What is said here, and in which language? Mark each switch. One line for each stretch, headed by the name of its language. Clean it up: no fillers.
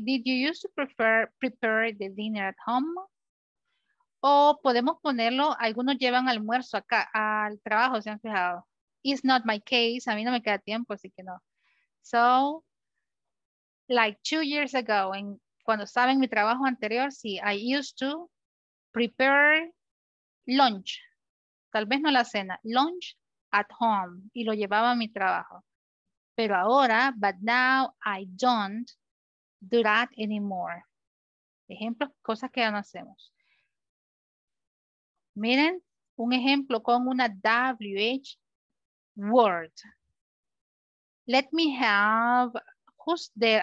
English: Did you use to prepare the dinner at home?
Spanish: O podemos ponerlo, algunos llevan almuerzo acá al trabajo, se han fijado.
English: It's not my case,
Spanish: a mí no me queda tiempo, así que no.
English: So, like 2 years ago, and
Spanish: cuando estaba en mi trabajo anterior, sí,
English: I used to prepare lunch.
Spanish: Tal vez no la cena,
English: lunch at home,
Spanish: y lo llevaba a mi trabajo. Pero ahora,
English: but now I don't do that anymore.
Spanish: Ejemplos, cosas que ya no hacemos. Miren, un ejemplo con una WH word.
English: Let me have, who's there?